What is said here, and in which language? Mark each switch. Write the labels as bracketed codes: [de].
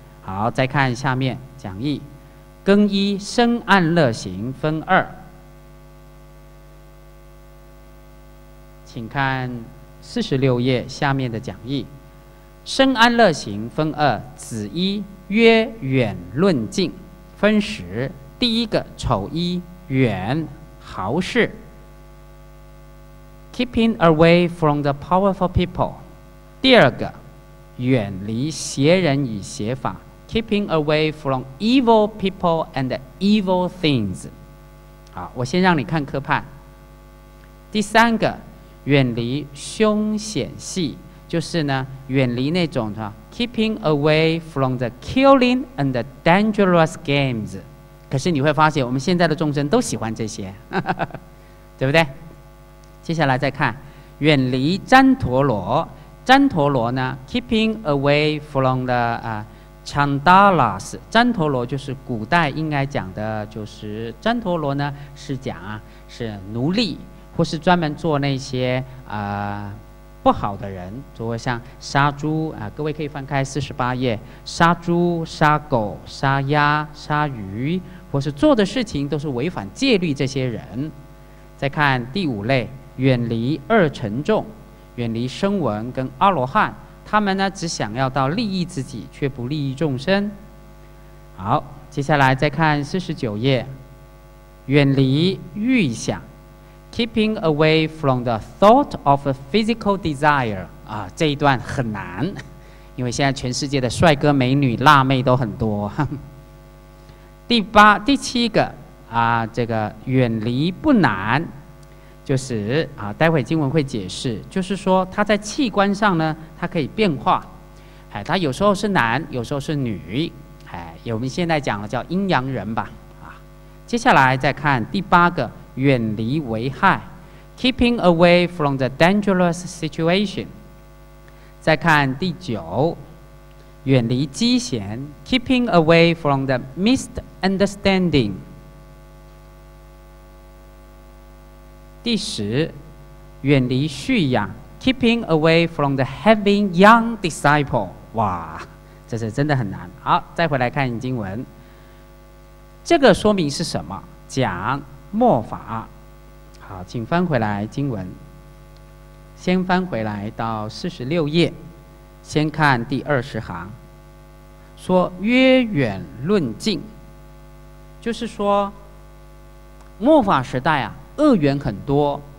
[zh] 好，再看下面讲义，更一生安乐行分二，请看46页下面的讲义。生安乐行分二，子一曰远论近，分十。第一个丑一远豪士。 [en] Keeping away from the powerful people. [zh] 第二个，远离邪人与邪法。 [en] Keeping away from evil people and evil things. [zh] 好，我先让你看科判。第三个，远离凶险戏，就是呢，远离那种的 ， [en] keeping away from the killing and the dangerous games. [zh] 可是你会发现，我们现在的众生都喜欢这些，对不对？接下来再看，远离旃陀罗，旃陀罗呢 ， [en] keeping away from the chandalas， [zh] 旃陀罗就是古代应该讲的，就是旃陀罗呢是讲啊是奴隶，或是专门做那些不好的人，就会像杀猪啊，各位可以翻开48页，杀猪、杀狗、杀鸭、杀鱼，或是做的事情都是违反戒律这些人。再看第五类。远离二乘众，远离声闻跟阿罗汉，他们呢只想要到利益自己，却不利益众生。好，接下来再看49页，远离欲想 ， [en] keeping away from the thought of physical desire。 [zh] 啊，这一段很难，因为现在全世界的帅哥美女辣妹都很多。第七个这个远离不难，就是待会经文会解释，就是说它在器官上呢，它可以变化，它有时候是男，有时候是女，我们现在讲的叫阴阳人吧。接下来再看第八个，远离危害， [en] keeping away from the dangerous situation。 [zh] 再看第九，远离讥嫌， [en] keeping away from the misunderstanding。 [zh] 第十，远离蓄养， [en] keeping away from the having young disciple。 [zh] 哇，这是真的很难。好，再回来看经文，这个说明是什么？讲末法。好，请翻回来经文，先翻回来到46页，先看第20行，说约远论近，就是说末法时代啊，恶缘很多。